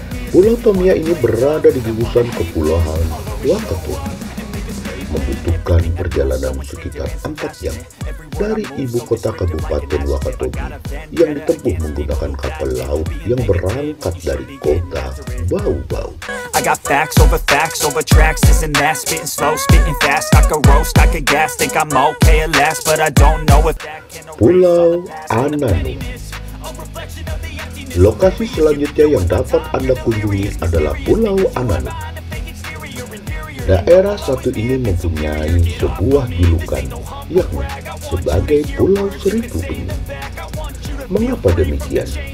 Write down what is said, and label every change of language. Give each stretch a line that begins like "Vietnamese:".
Indonesian: Pulau Tomia ini berada di gugusan kepulauan Wakatobi. Membutuhkan perjalanan sekitar 4 jam dari ibu kota kabupaten Wakatobi yang ditempuh menggunakan kapal laut yang berangkat dari kota Bau-Bau.
English: I got facts over tracks, this and that, spitting slow, spitting fast, I could roast, I could gas, think I'm okay at last, but I don't know if that can...
Indonesian: Pulau Ananu. Lokasi selanjutnya yang dapat Anda kunjungi adalah Pulau Ananu. Daerah satu ini mempunyai sebuah julukan, yakni sebagai Pulau Seribu Benih. Mengapa demikian?